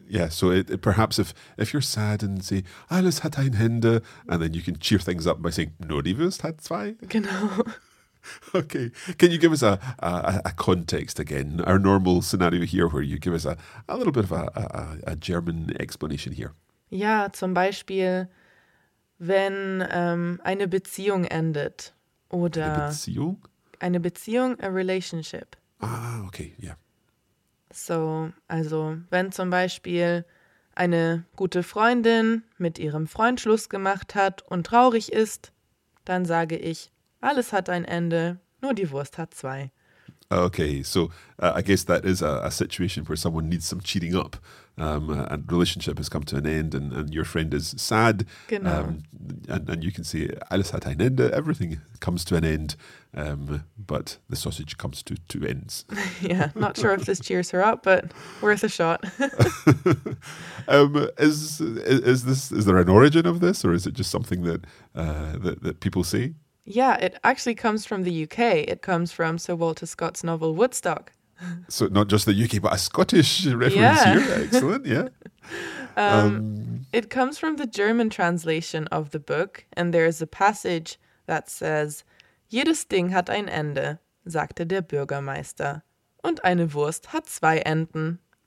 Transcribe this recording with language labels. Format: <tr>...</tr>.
<en>So it perhaps if you're sad and say</en> <de>alles hat ein Ende</de> <en>and then you can cheer things up by saying</en> <de>nur die Wurst hat zwei. Genau.</de> <en>Okay, can you give us a context again, our normal scenario here where you give us a little bit of a German explanation here?</en> <de>Ja, zum Beispiel, wenn eine Beziehung endet oder... Eine Beziehung? Eine Beziehung,</de> <en>a relationship. Ah, okay, yeah.</en> <de>So, also wenn zum Beispiel eine gute Freundin mit ihrem Freund Schluss gemacht hat und traurig ist, dann sage ich, alles hat ein Ende, nur die Wurst hat zwei.</de> <en>Okay, so I guess that is a situation where someone needs some cheering up. And relationship has come to an end, and your friend is sad. And you can say,</en> <de>alles hat ein Ende,</de> <en>everything comes to an end, but the sausage comes to two ends. Yeah, not sure if this cheers her up, but worth a shot. is there an origin of this, or is it just something that that people say? Yeah, it actually comes from the UK. It comes from Sir Walter Scott's novel Woodstock. So not just the UK, but a Scottish reference here. Excellent, yeah. It comes from the German translation of the book, and there is a passage that says,</en> <de>Jedes Ding hat ein Ende, sagte der Bürgermeister, und eine Wurst hat zwei Enden.</de>